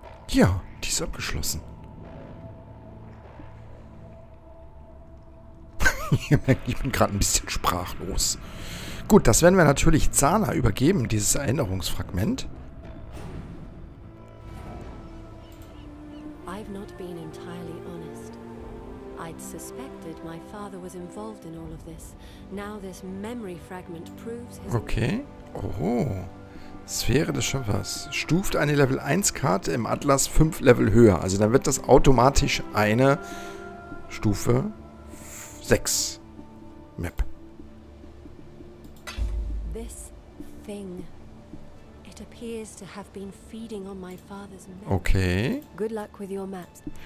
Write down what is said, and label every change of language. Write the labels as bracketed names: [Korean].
[German] Ja, die ist abgeschlossen. Ich bin gerade ein bisschen sprachlos. Gut, das werden wir natürlich Zana übergeben, dieses Erinnerungsfragment. [English] I've not been entirely honest. I'd suspected my father was involved in all of this. Now this memory fragment proves his... Okay. Oh. [German] Sphäre des Schöpfers. Stuft eine Level 1 Karte im Atlas 5 Level höher. Also dann wird das automatisch eine Stufe 6. [English] Map. This thing, it appears to have been feeding on my father's map. Okay. Good luck with your maps.